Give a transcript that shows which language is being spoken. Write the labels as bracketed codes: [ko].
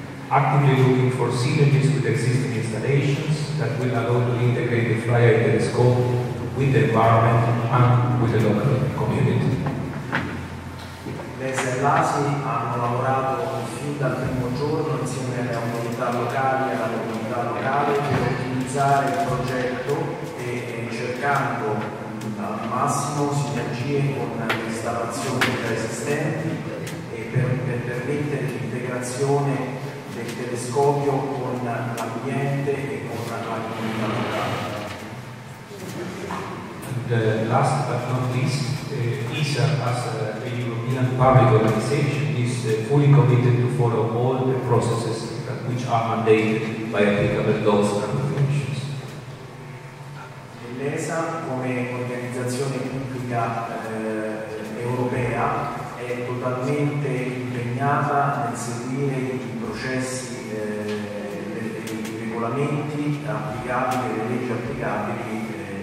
[en] actively looking for synergies with existing installations that will allow to integrate scope with the environment and with the local community. [it] Le Serlasi hanno lavorato fin dal primo giorno insieme alle autorità locali e alla comunità locale per ottimizzare il progetto e cercando al massimo sinergie con le installazioni già esistenti e per permettere l'integrazione del telescopio con l'ambiente e con la comunità locale. [en] The last but not least, ESA as a European public organization is fully committed to follow all the processes that, which are mandated by applicable laws and regulations. [it] L'ESA come organizzazione pubblica europea è totalmente impegnata nel seguire i processi, i regolamenti applicabili, le leggi applicabili.